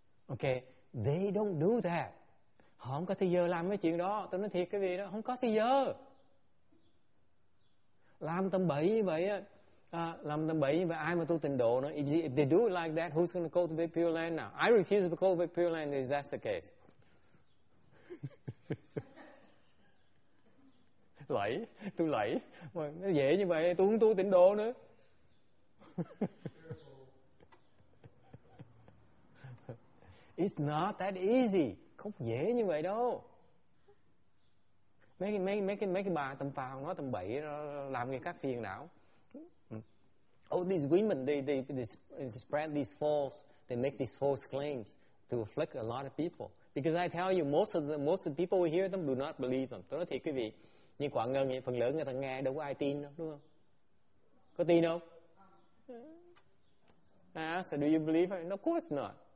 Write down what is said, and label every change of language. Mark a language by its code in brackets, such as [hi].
[vi] Okay, [en] they don't do that. [vi] Họ không có thời giờ làm cái chuyện đó. Tôi nói thiệt cái gì đó, không có thời giờ. Làm tầm bậy như vậy, ai mà tu tịnh độ nữa? [en] If they do it like that, who's going to cultivate pure land now? I refuse to cultivate pure land if that's the case. [vi] Lẫy, tôi lẫy. Mà nó dễ như vậy, tôi không tu tịnh độ nữa. [en] It's not that easy. [vi] Không dễ như vậy đâu. Mấy cái bà tầm phào nói tầm bậy đó, làm người khác phiền não. [en] All these women, they spread these false, they make these false claims to afflict a lot of people. Because I tell you, most of the people we hear them do not believe them. [vi] Tôi nói thiệt quý vị, như quả ngân phần lớn người ta nghe đâu có ai tin đâu, đúng không? Có tin không? [en] So do you believe it? No, of course not.